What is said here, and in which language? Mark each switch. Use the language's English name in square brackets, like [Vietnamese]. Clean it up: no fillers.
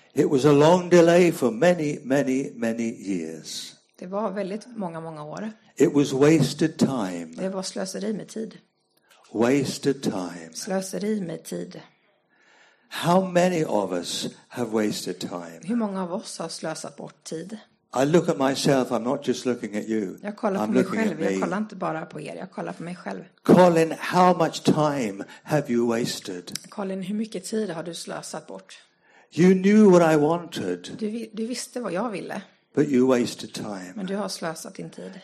[English] It was a long delay for many, many, many years. [Swedish] Det var väldigt många, många år. [English] It was wasted time. [Swedish] Det var slöseri med tid. [English] Wasted time. [Swedish] Slöseri med tid. [English] How many of us have wasted time? [Swedish] Hur många av oss har slösat bort tid? [English] I look at myself, I'm not just looking at you. [Swedish] Jag kollar på mig själv, jag kollar inte bara på er, jag kollar på mig själv. [English] Colin, how much time have you wasted? [Swedish] Colin, hur mycket tid har du slösat bort? [English] You knew what I wanted. [Swedish] Du visste vad jag ville. [English] But you wasted time. [Swedish] Men du har slösat din tid.